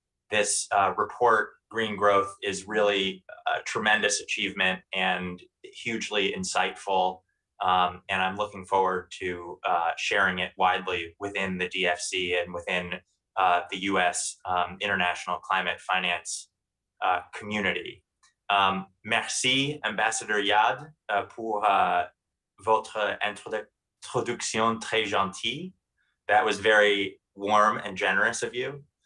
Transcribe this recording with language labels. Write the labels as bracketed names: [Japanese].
[English] This report, Green Growth, is really a tremendous achievement and hugely insightful. And I'm looking forward to sharing it widely within the DFC and within the US international climate finance community. [French] Merci, Ambassador Yad, pour votre introduction très gentille. [English] That was very warm and generous of you.